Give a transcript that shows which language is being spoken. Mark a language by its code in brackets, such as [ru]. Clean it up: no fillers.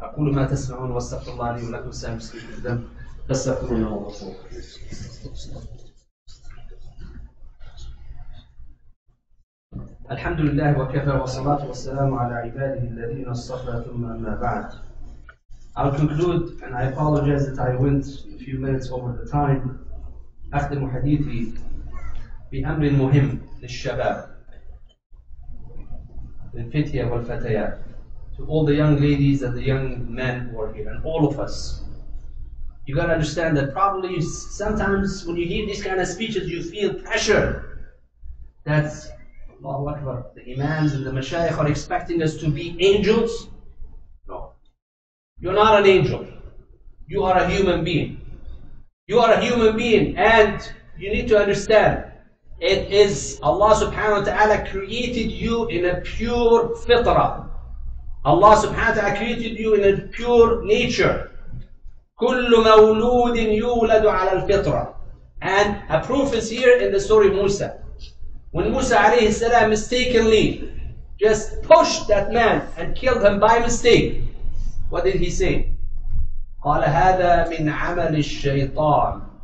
[ar] أقول ما تسمعون واستغفر الله لي ولكم سامسكي جدا فاستغفرونه وغفور. الحمد لله وكفى والصلاة والسلام على عباده الذين اصطفى ثم أما بعد. [en] I'll conclude and I apologize that I went a few minutes over the time. [ar] أختم حديثي بأمر مهم للشباب. للفتية والفتيات. [en] To all the young ladies and the young men who are here and all of us. You gotta understand that probably sometimes when you hear these kind of speeches, you feel pressure. That's Allahu Akbar. The imams and the mashayikh are expecting us to be angels. No. You're not an angel. You are a human being. You are a human being. And you need to understand, it is Allah subhanahu wa ta'ala created you in a pure fitrah. Allah subhanahu wa ta'ala created you in a pure nature. [ar] كل مولود يولد على الفطرة. [en] And a proof is here in the story of Musa. When Musa عليه السلام mistakenly just pushed that man and killed him by mistake, what did he say? [ar] قال هذا من عمل الشيطان.